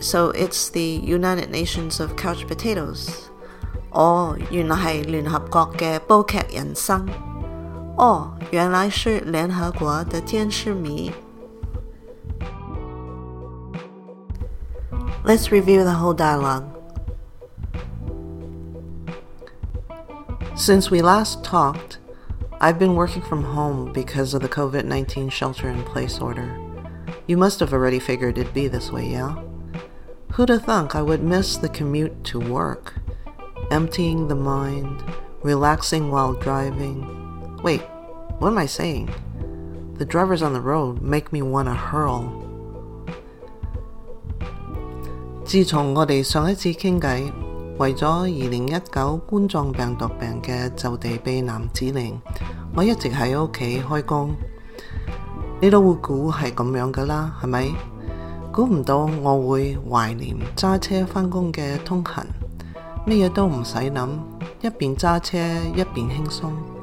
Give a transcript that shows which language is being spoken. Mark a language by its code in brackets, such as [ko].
[en] So it's the United Nations of couch potatoes. [zh] Oh, 原来是联合国的煲剧人生。哦，原来是联合国的电视迷。 [en] Let's review the whole dialogue. Since we last talked, I've been working from home because of the COVID-19 shelter in place order. You must have already figured it'd be this way, yeah? Who'd have thunk I would miss the commute to work? Emptying the mind, relaxing while driving. Wait, what am I saying? The drivers on the road make me want to hurl. [zh] 自从我们上一次聊天，为了2019冠状病毒病的就地避难指令，我一直在家开工。你都会估计是这样的啦，是吧？估不到我会怀念揸车上班的通勤，什么都不用想，一边揸车一边轻松。